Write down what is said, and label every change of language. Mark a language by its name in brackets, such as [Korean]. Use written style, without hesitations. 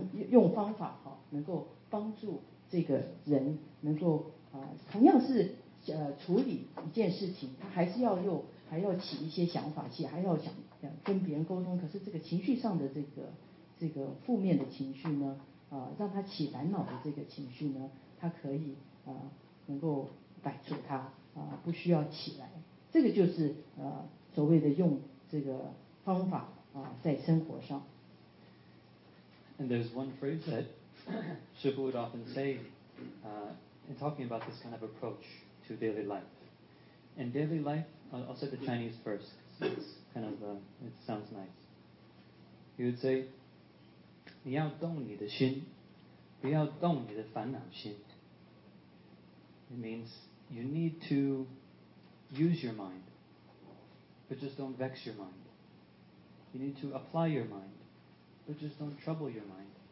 [Chinese] 用方法能够帮助这个人能够同样是处理一件事情，他还是要用，还要起一些想法，还要想跟别人沟通。可是这个情绪上的这个负面的情绪呢，让他起烦恼的这个情绪呢，他可以能够摆出他不需要起来。这个就是所谓的用这个方法在生活上。 [English] And there's one phrase that Shifu would often say in talking about this kind of approach. To daily life. In daily life, I'll say the Chinese first, because it's kind of, it sounds nice. He would say, [Chinese] 你要动你的心，不要动你的烦恼心。 [English] It means you need to use your mind, but just don't vex your mind. You need to apply your mind, but just don't trouble your mind.